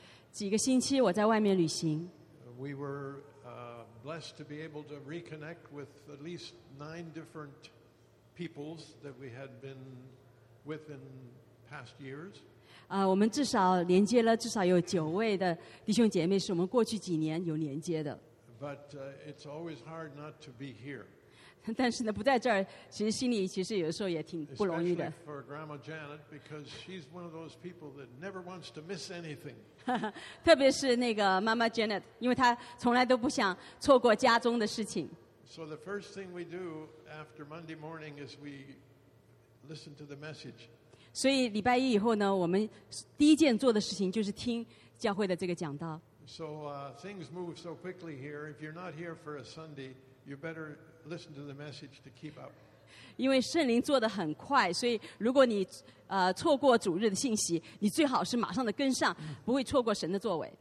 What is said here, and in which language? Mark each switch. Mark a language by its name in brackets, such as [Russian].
[Chinese] 几个星期我在外面旅行, [English] we were blessed to be able to reconnect with at least 9 different peoples that we had been with in past years. [Chinese] 我们至少连接了至少有九位的弟兄姐妹是我们过去几年有连接的. [English] But it's always hard not to be here. [Chinese] 但是呢, 不在这儿, 其实心里, 其实有时候也挺不容易的。 [English] Especially for Grandma Janet, because she's one of those people that never wants to miss anything. [Chinese] 特别是那个妈妈 Janet, 因为她从来都不想错过家中的事情。 [English] So the first thing we do after Monday morning is we listen to the message. [Chinese] 所以礼拜一以后呢, 我们第一件做的事情就是听教会的这个讲道。 [English] So things move so quickly here. If you're not here for a Sunday, you better listen to the message to keep up. [Chinese] 因为圣灵做得很快，所以如果你 错过主日的信息，你最好是马上的跟上，不会错过神的作为。